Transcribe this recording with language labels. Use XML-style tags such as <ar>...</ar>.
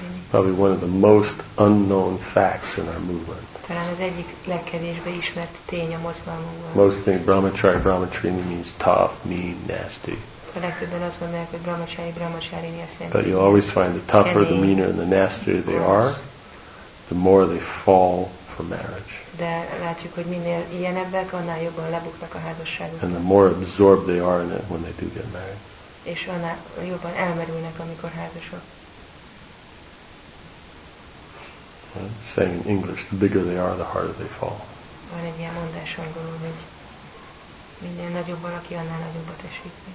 <en>Probably one of the most unknown facts in our movement.</en> <hu>Talán az egyik legkevésbé ismert tény a mozgalmunkban.</hu> <en>Most think brahmacharya, brahmacharini means tough, mean, nasty.</en> <hu>A legtöbben azt mondják, hogy brahmacharya, brahmacharini azt jelenti.</hu> <en>But you always find the tougher, the meaner, and the nastier they are, the more they fall for marriage.</en> <hu>De látjuk, hogy minél ilyenebbek, annál jobban lebuktak a házasságot.</hu> <en>And the more absorbed they are in it when they do get married.</en> <hu>És annál jobban elmerülnek, amikor házasok.</hu> <en>Saying in English, the bigger they are, the harder they fall.</en> <hu>Van egy ilyen mondás angolul, hogy minél nagyobb valaki, annál nagyobbat esik.</hu>